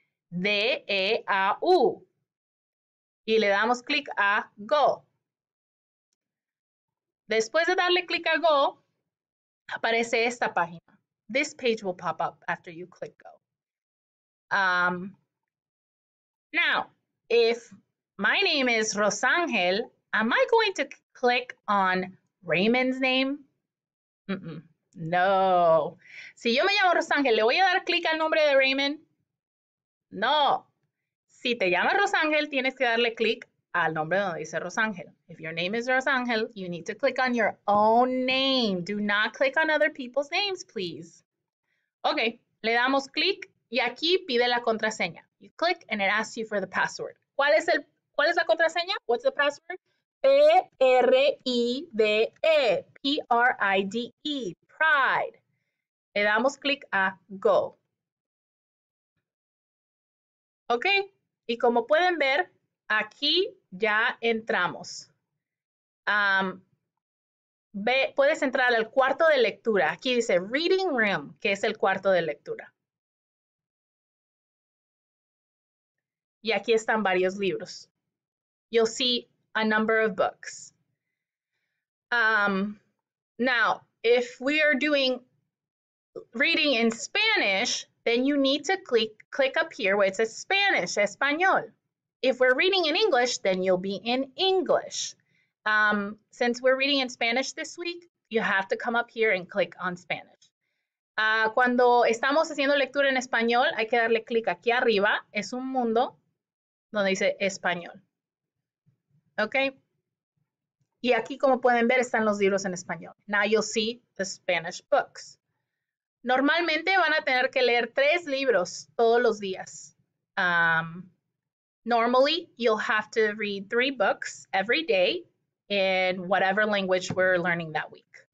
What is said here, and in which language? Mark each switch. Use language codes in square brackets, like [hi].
[es] MSRONDEAU. Y le damos clic a Go. Después de darle clic a Go, aparece esta página. [en] This page will pop up after you click Go. Now, if my name is Rosangel, am I going to click on Raymond's name? No. [es] Si yo me llamo Rosangel, ¿le voy a dar clic al nombre de Raymond? No. Si te llamas Rosangel, tienes que darle clic al nombre donde dice Rosangel. [en] If your name is Rosangel, you need to click on your own name. Do not click on other people's names, please. [es] Ok, le damos clic y aquí pide la contraseña. [en] You click and it asks you for the password. [es] ¿Cuál es la contraseña? [en] What's the password? [es] PRIDE. PRIDE. Pride. Le damos clic a Go. Ok, y como pueden ver, aquí ya entramos. Puedes entrar al cuarto de lectura. Aquí dice Reading Room, que es el cuarto de lectura. Y aquí están varios libros. [en] You'll see a number of books. Now, if we are doing reading in Spanish, then you need to click up here where it says Spanish, Español. If we're reading in English, then you'll be in English. Since we're reading in Spanish this week, you have to come up here and click on Spanish. [es] Cuando estamos haciendo lectura en español, hay que darle clic aquí arriba. Es un mundo donde dice español. ¿Ok? Y aquí, como pueden ver, están los libros en español. [en] Now you'll see the Spanish books. [es] Normalmente van a tener que leer tres libros todos los días. [en] Normally, you'll have to read three books every day in whatever language we're learning that week.